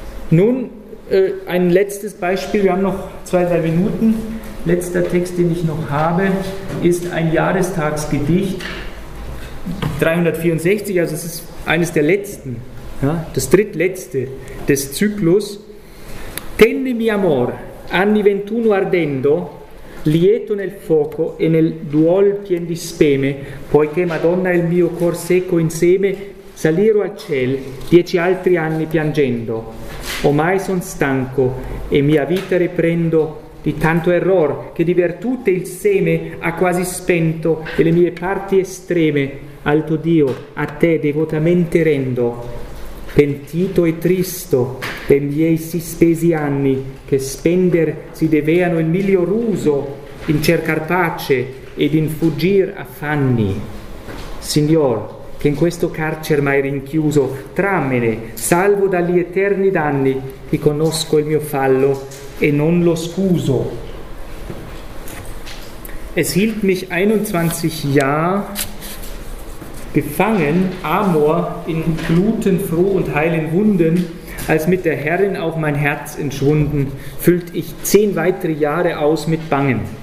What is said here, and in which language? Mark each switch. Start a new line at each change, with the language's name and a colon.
German: Nun ein letztes Beispiel, wir haben noch zwei, drei Minuten. Letzter Text, den ich noch habe, ist ein Jahrestagsgedicht, 364, also es ist eines der letzten, ja, das drittletzte des Zyklus.
Italian: Tenne mi amor, anni 21 ardendo, lieto nel fuoco e nel duol pien di speme, poiché Madonna il mio cor seco inseme, salirò al ciel 10 altri anni piangendo. Ormai son stanco e mia vita riprendo di tanto error che di virtute il seme ha quasi spento e le mie parti estreme, alto Dio, a te devotamente rendo. Pentito e tristo dei miei sì spesi anni, che spender si deveano il miglior uso in cercar pace ed in fuggir affanni. Signor, che in questo carcer mai rinchiuso, trammene, salvo dagli eterni danni, che conosco il mio fallo e non lo scuso.
German: Es hielt mich 21 Jahre gefangen, Amor, in Gluten froh und heilen Wunden, als mit der Herrin auch mein Herz entschwunden, füllt ich 10 weitere Jahre aus mit Bangen.